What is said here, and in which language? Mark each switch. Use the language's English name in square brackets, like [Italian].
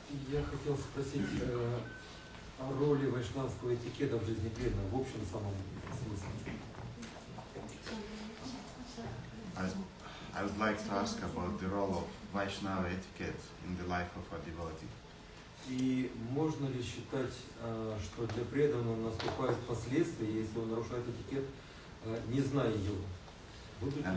[Russian] Я хотел спросить о роли вайшнавского этикета в жизни Кришны, в общем самом смысле. [English] I would like to ask about the role of Vaishnava etiquette in the life of a devotee. [Russian] И можно ли считать, что для преданного наступают последствия, если он нарушает этикет, не зная его?